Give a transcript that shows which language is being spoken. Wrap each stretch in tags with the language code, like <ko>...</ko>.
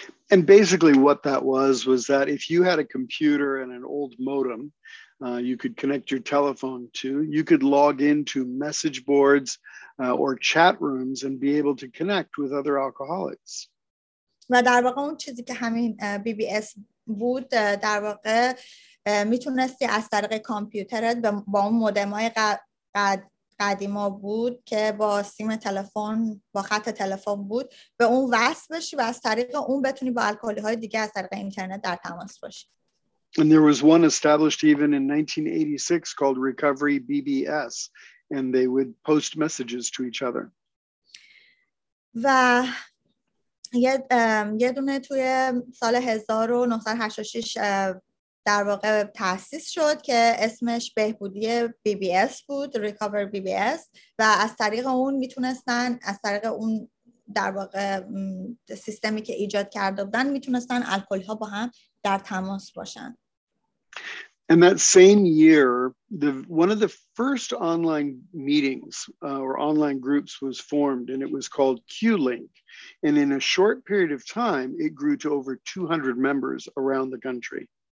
<en>And basically what that was that if you had a computer and an old modem you could connect your telephone to, you could log into message boards or chat rooms and be able to connect with other alcoholics.</en> <fa>و در واقع اون چیزی که همین BBS بود در واقع میتونستی از طریق کامپیوترت با اون مودم های قدیما بود که با سیم تلفن با خط تلفن بود به اون وصل بشی و از طریق اون بتونی با الکلی های دیگه از طریق اینترنت در تماس باشی.</fa> <en>And there was one established even in 1986 called Recovery BBS, and they would post messages to each other.</en> <fa>و یه دونه توی سال 1986 در واقع تأسیس شد که اسمش بهبودی بی بی اس بود، ریکاور بی بی اس، و از طریق اون میتونستن، از طریق اون در واقع سیستمی که ایجاد کرده بودن، میتونستن الکل ها با هم در تماس باشن.</fa> <en>And that same year, one of the first online meetings or online groups was formed, and it was called Q-Link. And in a short period of time, it grew to over 200 members around the country.</en>